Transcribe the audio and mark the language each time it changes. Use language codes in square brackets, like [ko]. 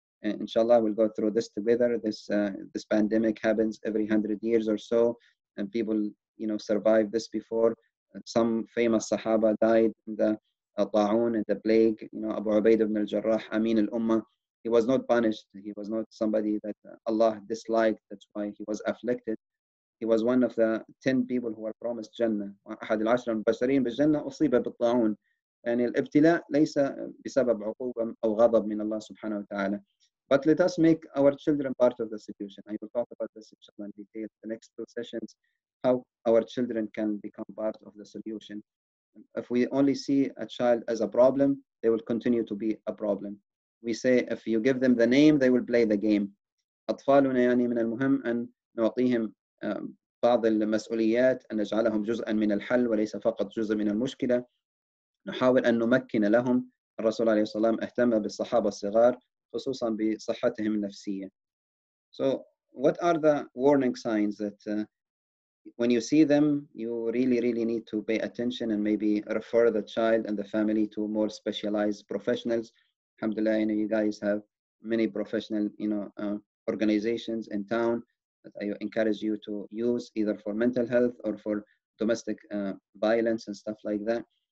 [en] Inshallah, we'll go through this together. This pandemic happens every 100 years or so, and people, survive this before. Some famous Sahaba died in the Ta'un and the plague. Abu Ubaid ibn al-Jarrah, Amin al-Ummah, he was not punished. He was not somebody that Allah disliked. That's why he was afflicted. He was one of the 10 people who were promised Jannah. [ar] أحد العشر البشرين بالجنة أصيب بالطاعون. يعني الابتلاء ليس بسبب عقوبة أو غضب من الله سبحانه وتعالى. [en] But let us make our children part of the solution. I will talk about this in detail the next two sessions, how our children can become part of the solution. If we only see a child as a problem, they will continue to be a problem. We say, if you give them the name, they will play the game. [ar] أطفالنا يعني من المهم أن نعطيهم بعض المسؤوليات, أن نجعلهم جزءا من الحل وليس فقط جزء من المشكلة. نحاول أن نمكن لهم. الرسول عليه السلام اهتم بالصحابة الصغار, خصوصا بصحتهم النفسية. [en] So what are the warning signs that when you see them, you really, really need to pay attention and maybe refer the child and the family to more specialized professionals? Alhamdulillah, you guys have many professional organizations in town that I encourage you to use, either for mental health or for domestic violence and stuff like that.